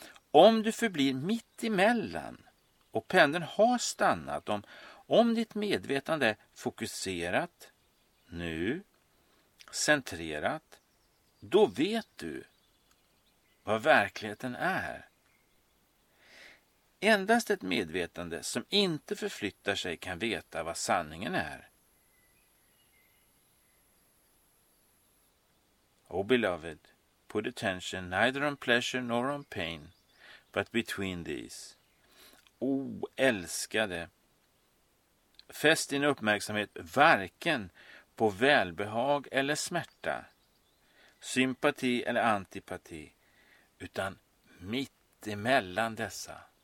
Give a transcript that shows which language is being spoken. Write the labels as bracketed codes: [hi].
[sv] Om du förblir mitt emellan och pendeln har stannat, om ditt medvetande är fokuserat, nu, centrerat, då vet du vad verkligheten är. Endast ett medvetande som inte förflyttar sig kan veta vad sanningen är. [en] O beloved, put attention neither on pleasure nor on pain, but between these. [sv] O älskade, fäst din uppmärksamhet varken på välbehag eller smärta, sympati eller antipati, utan mitt emellan dessa.